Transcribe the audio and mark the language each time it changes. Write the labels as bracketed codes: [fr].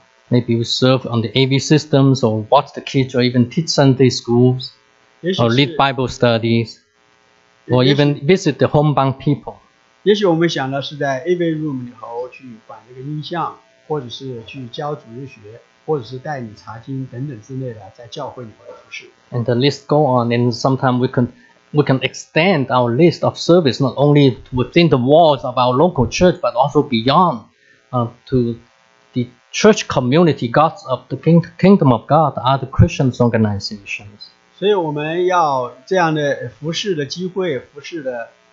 [en] Maybe you serve on the AV systems or watch the kids or even teach Sunday schools or lead Bible studies or even visit the homebound people. [zh] 也许我们想的是在 AV room里头去管那个音像，或者是去教主日学，或者是带你查经等等之类的，在教会里头服侍。 [en] And the list go on, and sometimes we can extend our list of service not only within the walls of our local church but also beyond, to the church community, God's of the kingdom of God, other Christians organizations. [zh] 所以我们要这样的服侍的机会，服侍的。